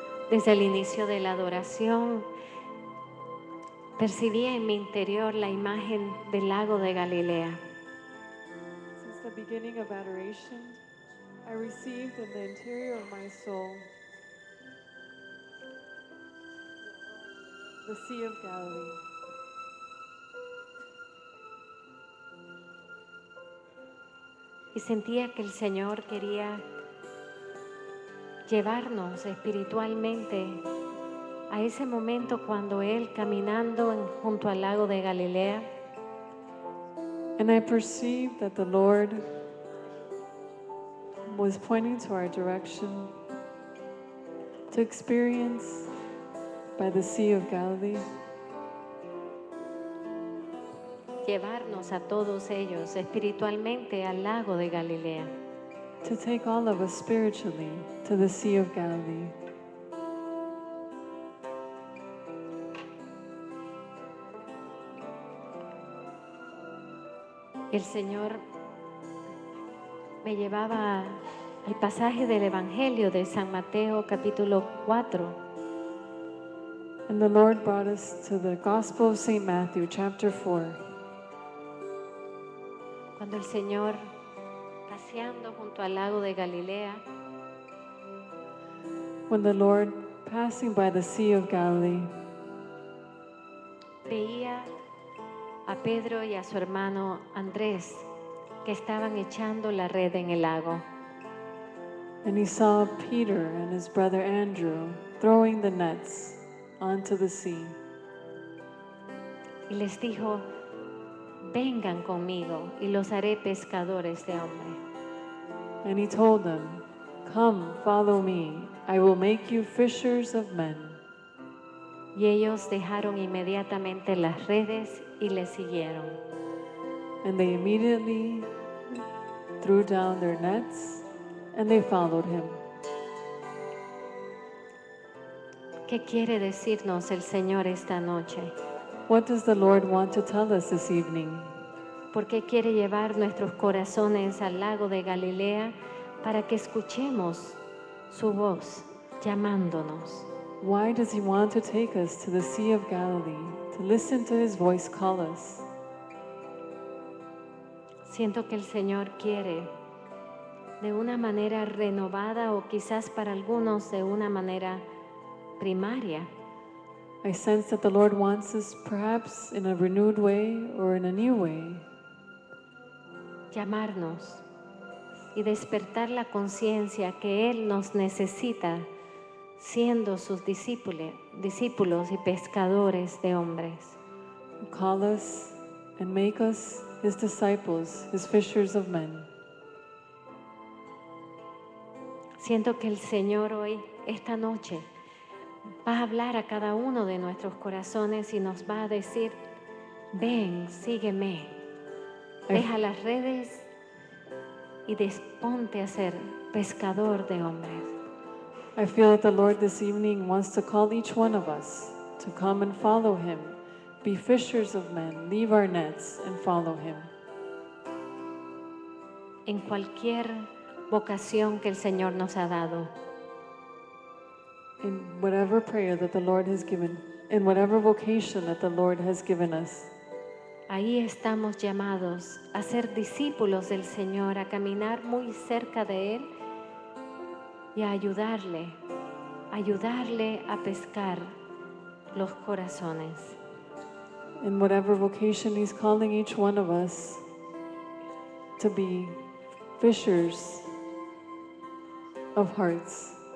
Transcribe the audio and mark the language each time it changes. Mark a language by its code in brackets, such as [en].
[es] Desde el inicio de la adoración, percibí en mi interior la imagen del lago de Galilea. [en] Since the beginning of adoration, I received in the interior of my soul the Sea of Galilee. [es] Y sentía que el Señor quería llevarnos espiritualmente a ese momento cuando Él caminando junto al lago de Galilea. [en] And I perceived that the Lord was pointing to our direction to experience by the Sea of Galilee. [es] Llevarnos a todos ellos espiritualmente al lago de Galilea. [en] To take all of us spiritually to the Sea of Galilee. [es] El Señor me llevaba al pasaje del Evangelio de San Mateo, capítulo 4. [en] And the Lord brought us to the Gospel of St. Matthew, chapter 4. [es] Cuando el Señor junto al lago de Galilea, [en] when the Lord passing by the Sea of Galilee, [es] veía a Pedro y a su hermano Andrés que estaban echando la red en el lago. [en] And he saw Peter and his brother Andrew throwing the nets onto the sea. [es] Y les dijo, vengan conmigo y los haré pescadores de hombres. [en] And he told them, come, follow me. I will make you fishers of men. [es] Y ellos dejaron inmediatamente las redes y le siguieron. [en] And they immediately threw down their nets and they followed him. [es] ¿Qué quiere decirnos el Señor esta noche? [en] What does the Lord want to tell us this evening? [es] ¿Por qué quiere llevar nuestros corazones al lago de Galilea para que escuchemos su voz llamándonos? [en] Why does he want to take us to the Sea of Galilee to listen to his voice call us? [es] Siento que el Señor quiere de una manera renovada o quizás para algunos de una manera primaria [en] I sense that the Lord wants us perhaps in a renewed way or in a new way. [es] Llamarnos y despertar la conciencia que Él nos necesita siendo sus discípulos y pescadores de hombres. [en] Call us and make us His disciples, His fishers of men. [es] Siento que el Señor hoy, esta noche, va a hablar a cada uno de nuestros corazones y nos va a decir, ven, sígueme. Deja las redes y disponte a ser pescador de hombres. [en] I feel that the Lord this evening wants to call each one of us to come and follow Him. Be fishers of men, leave our nets and follow Him. [es] En cualquier vocación que el Señor nos ha dado. [en] In whatever prayer that the Lord has given, in whatever vocation that the Lord has given us. [es] Ahí estamos llamados a ser discípulos del Señor, a caminar muy cerca de Él y a ayudarle, ayudarle a pescar los corazones. [en] In whatever vocation He's calling each one of us to be fishers of hearts.